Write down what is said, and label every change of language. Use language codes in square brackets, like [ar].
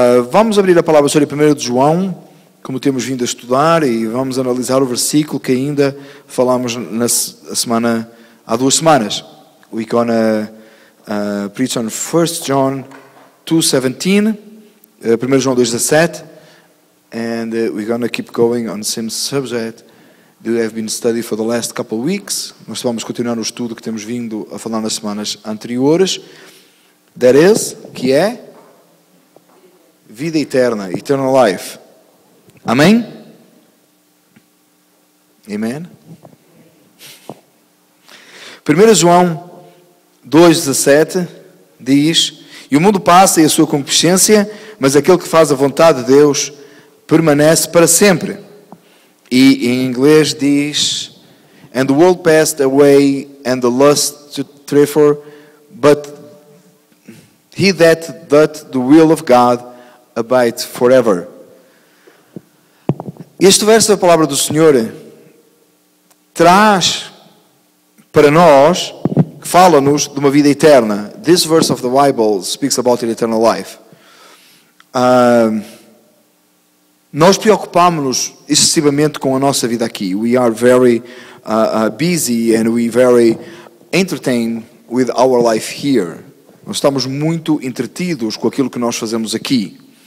[pt] Vamos abrir a palavra sobre 1 João, como temos vindo a estudar, e vamos analisar o versículo que ainda falámos na semana, há duas semanas. [en] We're gonna preach on 1 John 2:17, 1 João 2:17, and we're gonna keep going on the same subject that we have been studying for the last couple of weeks. [pt] Nós vamos continuar o estudo que temos vindo a falar nas semanas anteriores. [en] That is, [pt] que é vida eterna, [en] eternal life. [pt] Amém? [en] Amen? [pt] 1 João 2:17 diz: e o mundo passa e a sua concupiscência, mas aquele que faz a vontade de Deus permanece para sempre. E em inglês diz: [en] and the world passed away and the lust to therefore, but he that doth the will of God abides forever. [pt] Este verso da palavra do Senhor traz para nós, fala-nos de uma vida eterna. [en] This verse of the Bible speaks about an eternal life. [pt] Nós preocupamos-nos excessivamente com a nossa vida aqui. [en] We are very busy and we very entertained with our life here. [pt] Nós estamos muito entretidos com aquilo que nós fazemos aqui.